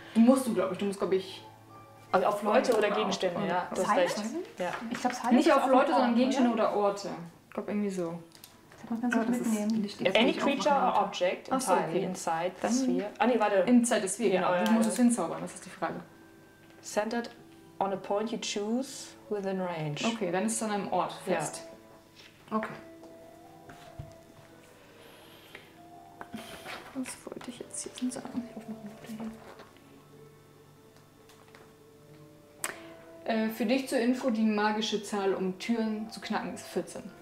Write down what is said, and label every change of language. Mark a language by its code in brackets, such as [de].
[de] Du musst, glaube ich. Also auf Leute oder Gegenstände, ja. Das ist recht. Ja. Ich glaube, es nicht auf Leute, sondern Gegenstände oder Orte. Ich glaube, irgendwie so. Das muss man so mitnehmen. [en] Any creature or object inside the sphere. [de] Ah, nee, warte. [en] Inside the sphere, [de] genau. Du musst es hinzaubern, das ist die Frage. [en] Centered on a point you choose within range. [de] Okay, dann ist es an einem Ort fest. Ja. Okay. Was wollte ich jetzt hier sagen? Ich hoffe, man für dich zur Info, die magische Zahl, um Türen zu knacken, ist 14.